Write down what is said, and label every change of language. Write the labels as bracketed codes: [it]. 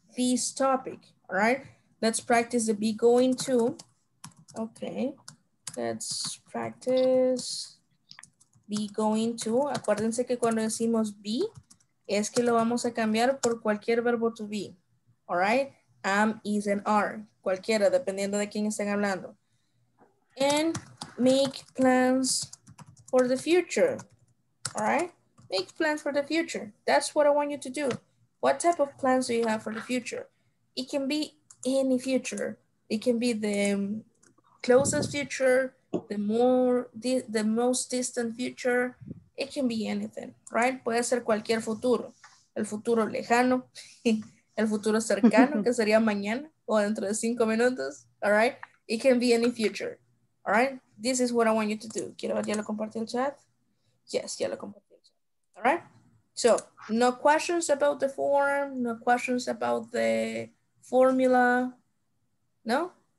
[en] This topic, all right? Let's practice the be going to. Okay, let's practice be going to. [es] Acuérdense que cuando decimos be, es que lo vamos a cambiar por cualquier verbo to be, all right? [en] Am, is, and are, [es] cualquiera, dependiendo de quién estén hablando. [en] And make plans for the future, all right? Make plans for the future. That's what I want you to do. What type of plans do you have for the future? It can be any future. It can be the closest future, the most distant future. It can be anything, right? [es] Puede ser cualquier futuro. El futuro lejano, el futuro cercano, que sería mañana o dentro de 5 minutos, [en] all right? It can be any future, all right? This is what I want you to do. [es] ¿Quiero ver, ya lo compartí el chat? [en] Yes, [es] ya lo compartí el chat, [en] all right? So, no questions about the form, no questions about the formula, no?